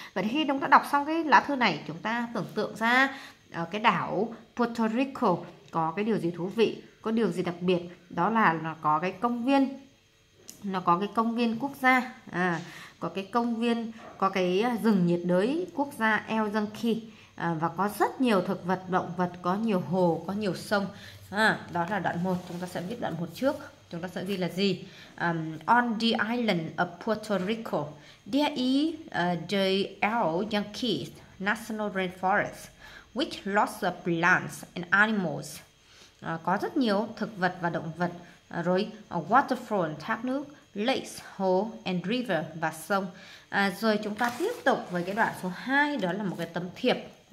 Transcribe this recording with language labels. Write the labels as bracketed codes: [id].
[vi] Vậy thì khi chúng ta đọc xong cái lá thư này, chúng ta tưởng tượng ra cái đảo Puerto Rico có cái điều gì thú vị, có điều gì đặc biệt, đó là nó có cái công viên. Nó có cái công viên quốc gia, có cái công viên, có cái rừng nhiệt đới quốc gia El Yunque, và có rất nhiều thực vật, động vật, có nhiều hồ, có nhiều sông. Đó là đoạn 1, chúng ta sẽ viết đoạn 1 trước. Chúng ta sẽ ghi là gì? [en] On the island of Puerto Rico, there is the El Yunque National Rainforest, which lots of plants and animals. [vi] Có rất nhiều thực vật và động vật. Rồi waterfall, thác nước, lakes, hồ, and river, và sông. Rồi chúng ta tiếp tục với cái đoạn số 2, đó là một cái tấm thiệp.